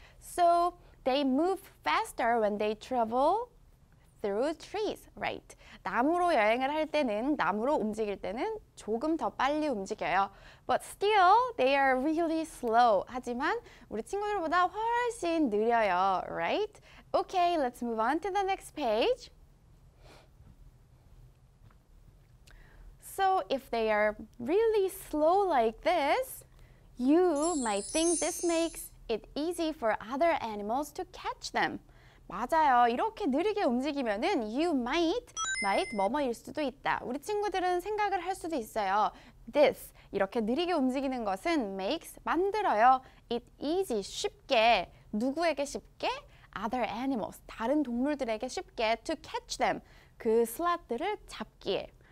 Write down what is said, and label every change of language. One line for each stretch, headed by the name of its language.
English: So, they move faster when they travel through trees, right?
Korean: 나무로 여행을 할 때는, 나무로 움직일 때는 조금 더 빨리 움직여요.
English: But still, they are really slow.
Korean: 하지만 우리 친구들보다 훨씬 느려요,
English: right? Okay, let's move on to the next page. So if they are really slow like this, you might think this makes it easy for other animals to catch them.
Korean: 맞아요. 이렇게 느리게 움직이면은
English: you might
Korean: 뭐뭐일 수도 있다. 우리 친구들은 생각을 할 수도 있어요. This, 이렇게 느리게 움직이는 것은 makes, 만들어요. It easy, 쉽게, 누구에게 쉽게?
English: Other animals,
Korean: 다른 동물들에게 쉽게
English: to catch them,
Korean: 그 슬롯들을 잡기에.